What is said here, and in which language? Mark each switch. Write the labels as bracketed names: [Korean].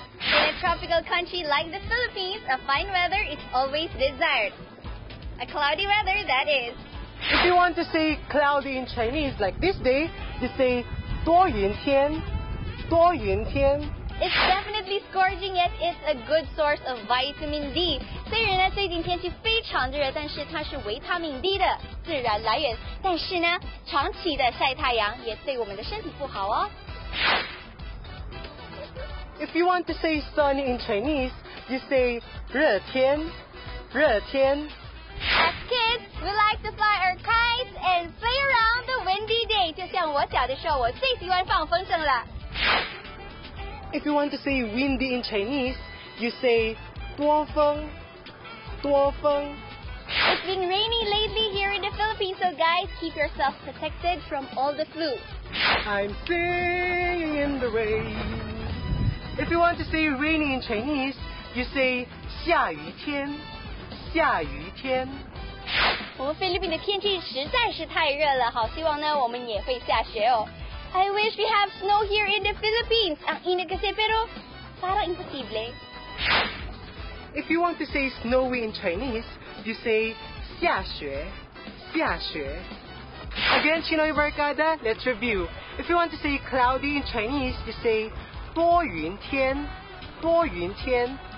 [English] In a tropical country like the Philippines, a fine weather is always desired. A cloudy weather, that is. If you want to say cloudy in Chinese, like this day, you say [Chinese] 多云天多云天 [English] It's definitely scorching, yet it's a good source of vitamin D. [Chinese] 虽然呢最近天气非常热，但是它是维他命 D 的自然来源。但是呢，长期的晒太阳也对我们的身体不好哦。 [English] If you want to say sunny in Chinese, you say [Chinese] 热天热天 [English] As kids, we like to fly our kites and play around the windy day. [Chinese] 就像我小的时候，我最喜欢放风筝了。 [English] If you want to say windy in Chinese, you say [Chinese] 多风多风。 [English] It's been rainy lately here in the Philippines, so guys, keep yourself protected from all the flu. I'm singing in the rain. If you want to say rainy in Chinese, you say [Chinese] 下雨天。下雨天，我们菲律宾的天气实在是太热了，好希望呢我们也会下雪哦。 [English] I wish we have snow here in the Philippines. [Filipino] Ang init kasi pero parang imposible. [English] If you want to say snowy in Chinese, you say [Chinese] 下雪，下雪。 [English] Again, CHInoy Bergada, let's review. If you want to say cloudy in Chinese, you say [Chinese] 多云天，多云天。